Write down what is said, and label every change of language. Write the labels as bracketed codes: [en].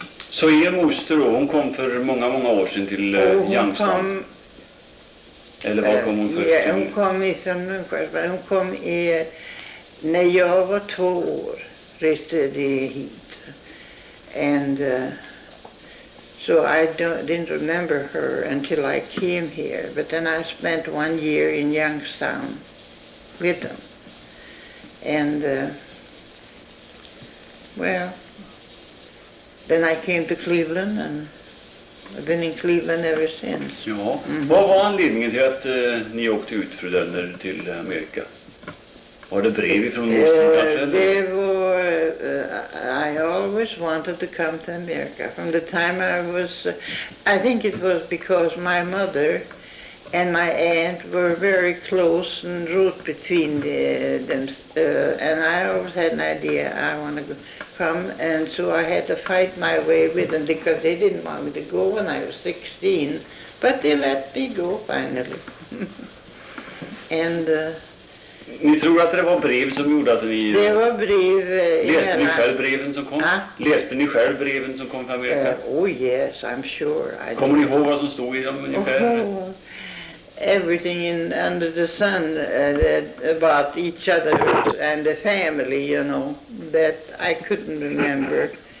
[sv] Så er moster, hon kom för många, många år sedan till Youngstown? Kom, eller var kom hon först? Ja, hon kom ifrån Munkfors, men hon kom i, när jag var 2 år. Reste de hit, [en] and so I didn't remember her until I came here, but then I spent 1 year in Youngstown with them, and well, then I came to Cleveland, and I've been in Cleveland ever since. [sv] Ja, vad var anledningen till att ni åkte ut, fru Delner, till Amerika? Var det brev ifrån Moster kanske? Det var... [en] I always wanted to come to America from the time I was... I think it was because my mother and my aunt were very close and wrote between them. And I always had an idea I want to come. And so I had to fight my way with them because they didn't want me to go when I was 16. But they let me go finally. And... [sv] Ni tror att det var brev som gjorde att ni... Det var brev... Läste ni själv breven som kom? Ah? Läste ni själv breven som kom från Amerika? [en] Oh yes, I'm sure. [sv] Kommer ni ihåg vad som stod i dem ungefär? [en] Everything in, under the sun about each other and the family, you know, that I couldn't remember.